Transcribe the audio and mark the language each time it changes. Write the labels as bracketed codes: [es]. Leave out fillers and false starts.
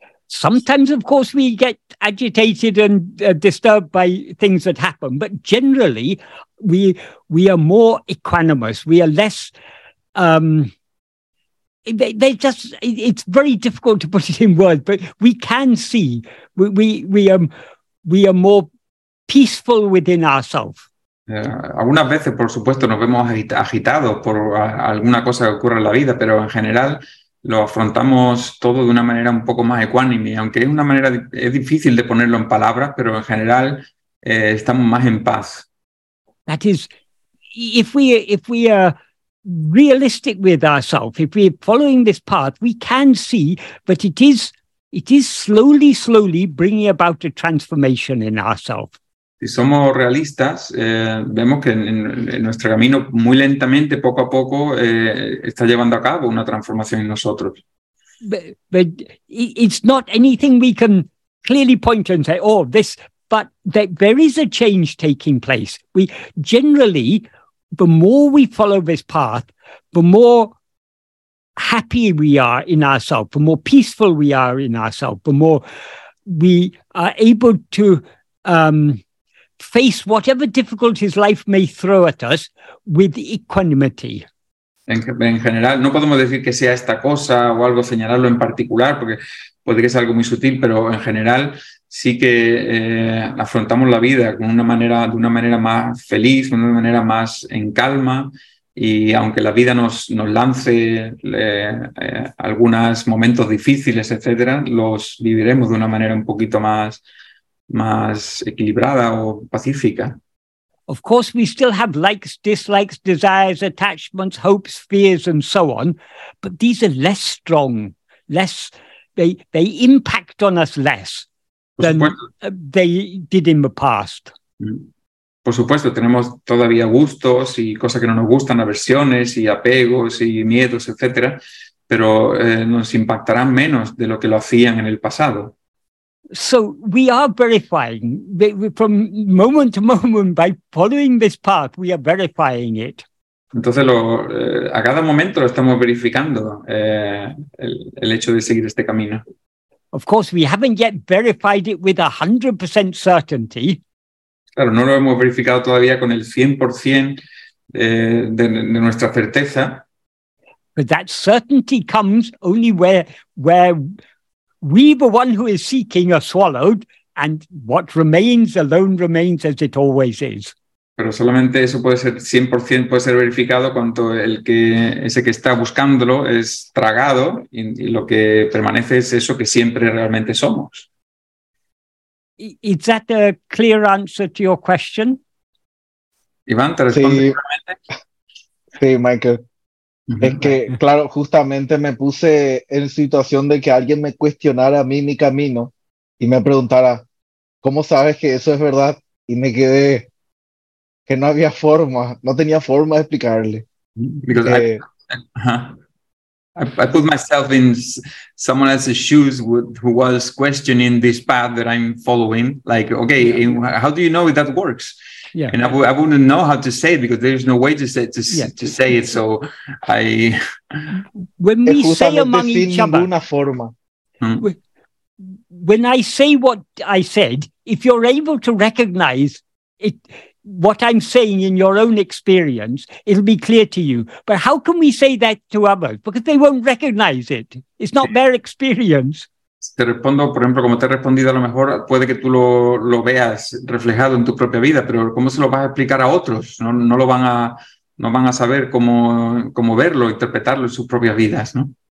[en] Sometimes, of course, we get agitated and disturbed by things that happen, but generally, we are more equanimous. We are less. It's very difficult to put it in words, but we can see we are more peaceful within ourselves. [es] Algunas veces, por supuesto, nos vemos agitados por alguna cosa que ocurre en la vida, pero en general lo afrontamos todo de una manera un poco más ecuánime, aunque es una manera es difícil de ponerlo en palabras, pero en general estamos más en paz. [en] That is, if we are realistic with ourselves, if we are following this path, we can see that it is slowly, slowly bringing about a transformation in ourselves. [es] Si somos realistas, vemos que en nuestro camino, muy lentamente, poco a poco, está llevando a cabo una transformación en nosotros. [en] But it's not anything we can clearly point and say, oh, this, but that there is a change taking place. We generally, the more we follow this path, the more happy we are in ourselves, the more peaceful we are in ourselves, the more we are able to face whatever difficulties life may throw at us with equanimity. [es] En general, no podemos decir que sea esta cosa o algo, señalarlo en particular, porque puede que sea algo muy sutil, pero en general sí que afrontamos la vida con de una manera más feliz, de una manera más en calma, y aunque la vida nos lance algunos momentos difíciles, etcétera, los viviremos de una manera un poquito más equilibrada o pacífica. [en] Of course, we still have likes, dislikes, desires, attachments, hopes, fears, and so on, but these are less strong, less, they impact on us less than they did in the past. [es] Por supuesto, tenemos todavía gustos y cosas que no nos gustan, aversiones y apegos y miedos, etcétera, pero nos impactarán menos de lo que lo hacían en el pasado. [en] So we are verifying from moment to moment by following this path. We are verifying it. [es] Entonces, a cada momento lo estamos verificando el hecho de seguir este camino. [en] Of course, we haven't yet verified it with 100% certainty. [es] Claro, no lo hemos verificado todavía con el 100% de nuestra certeza. [en] But that certainty comes only where. We, the one who is seeking, are swallowed, and what remains alone remains as it always is. [es] pero solamente eso puede ser 100% puede ser verificado cuando el que ese que está buscándolo es tragado y lo que permanece es eso que siempre realmente somos. [en] Is that a clear answer to your question? [es] Iván, ¿te responde claramente? Sí, Michael. Es que, claro, justamente me puse en situación de que alguien me cuestionara a mí mi camino y me preguntara, ¿cómo sabes que eso es verdad? Y me quedé que no había forma, no tenía forma de explicarle. [en] Because I put myself in someone else's shoes who was questioning this path that I'm following. Like, okay, how do you know if that works? Yeah, and I wouldn't know how to say it because there's no way to say it. So I when we say among each other, [es] forma. [en] When I say what I said, if you're able to recognize it, what I'm saying in your own experience, it'll be clear to you. But how can we say that to others? Because they won't recognize it. It's not their experience. [es] Te respondo, por ejemplo, como te he respondido, a lo mejor puede que tú lo veas reflejado en tu propia vida, pero ¿cómo se lo vas a explicar a otros? No van a saber cómo verlo, interpretarlo en sus propias vidas, ¿no?